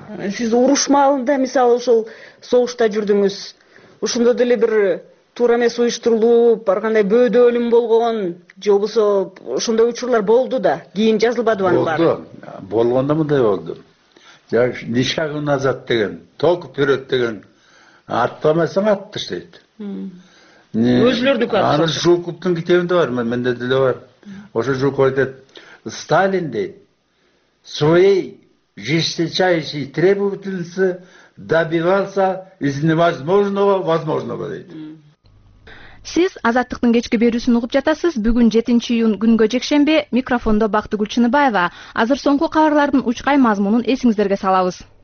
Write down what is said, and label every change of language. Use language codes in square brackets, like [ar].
[ky] Сиз уруш маалында мисалы ошол согушта жүрдүңүз, ошондо деле бир туура эмес уюштурулуп ар кандай бөөдө өлүм болгон же болбосо ошондой учурлар болду да, кийин жазылбадыбы анын баары? Болгондо мындай болду. [ru] Ни шагу назад [ky] деген, [ru] только вперед [ky] деген, артка эмесең атты иштейт. Өзүлөрдүкү. Анын Жуковдун китебинде бар, менде деле бар. Ошо Жуков айтат: [ru] Сталин [ky] дейт [ru] своей жесточайшей требовательности добивался из невозможного возможного дейт. [ky] Сиз Азаттыктын кечки берүүсүн угуп жатасыз. Бүгүн 7-июнь күнгө жекшемби, микрофондо Бактыгүл Чыныбаева. Азыр соңку кабарлардын учкай мазмунун эсиңиздерге салабыз.